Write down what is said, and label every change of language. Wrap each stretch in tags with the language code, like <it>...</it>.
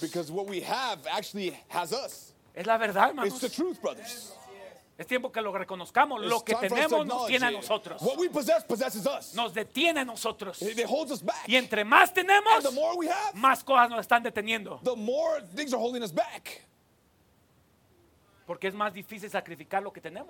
<en>Because what we have actually has us.</en> <es>Es la verdad, hermanos.</es> <en>It's the truth, brothers.</en> <es>Es tiempo que lo reconozcamos. Lo que tenemos nos tiene a nosotros.</es> <en>What we possess possesses us.</en> <es>Nos detiene a nosotros.</es> <en>It holds us back.</en> <es>Y entre más tenemos,</es> <en>and the more we have,</en> <es>más cosas nos están deteniendo.</es> <en>The more things are holding us back.</en> <es>Porque es más difícil sacrificar lo que tenemos.</es>